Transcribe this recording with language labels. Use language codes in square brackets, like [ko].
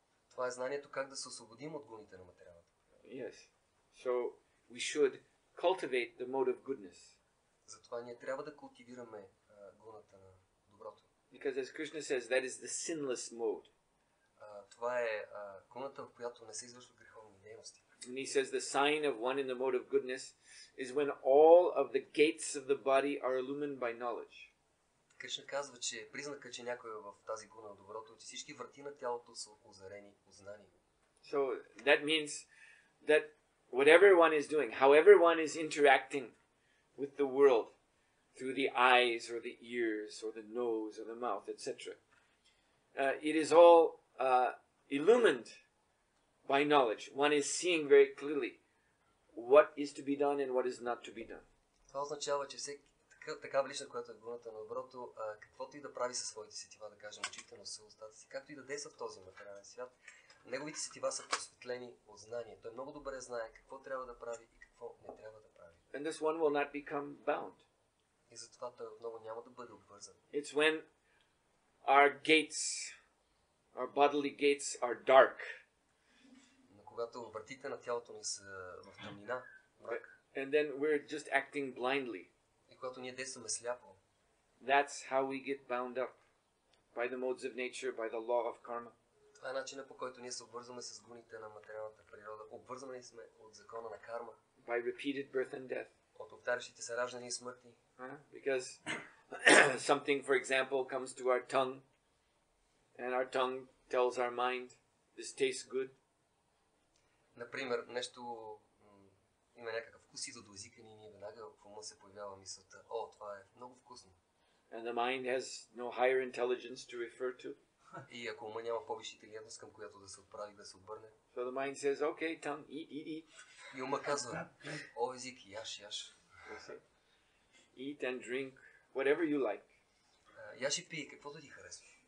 [bg] Това е знанието как да се освободим от гоните на материалното. [en] Yes. So we should cultivate the mode of goodness. [bg] Затова ние трябва да култивираме гоната на доброто. [en] Because as Krishna says, that is the sinless mode. [bg] Това е гуната, в която не се извършват греховни дейности. [en] And he says the sign of one in the mode of goodness is when all of the gates of the body are illumined by knowledge. [bg] Кришна казва, че признакът, че някой е в тази гуна на доброто, че всички врати на тялото са озарени от знание. [en] So that means that whatever one is doing, however one is interacting with the world through the eyes or the ears or the nose or the mouth, etc. It is all illumined by knowledge. One is seeing very clearly what is to be done and what is not to be done. [bg] Това означава, че всеки такава личност, която е гуната на доброто, каквото и да прави със своите сетива, да кажем, очите на устата си, както и да действа в този материален свят, неговите сетива са просветлени от знание. Той много добре знае какво трябва да прави и какво не трябва да прави. [en] And this one will not become bound. [bg] И затова той отново няма да бъде обвързан. [en] It's when our gates, our bodily gates are dark. [bg] Когато вратите на тялото ни са в тъмнина, мрак. [en] And then we're just acting blindly. [bg] И когато ние действаме сляпо. [en] That's how we get bound up by the modes of nature, by the law of karma. [bg] Това е начинът, по който ние се обвързваме с гуните на материалната природа. Обвързваме сме от закона на карма. [en] By repeated birth and death. [bg] От повтарящите се раждане и смърти. [en] Because something, for example, comes to our tongue. And our tongue tells our mind, this tastes good. [bg] Например, нещо има някакъв вкус и до езика ни, ние веднага в ума се появява мисълта, о, това е много вкусно. [en] And the mind has no higher intelligence to refer to. [bg] И ако ума няма повиша интелигентност, към която да се отправи, да се обърне. [en] So the mind says, okay, tongue, eat. [bg] И ума казва, о, език, яш. [en] Eat and drink, whatever you like. [bg] Яш и пи, каквото ти харесва.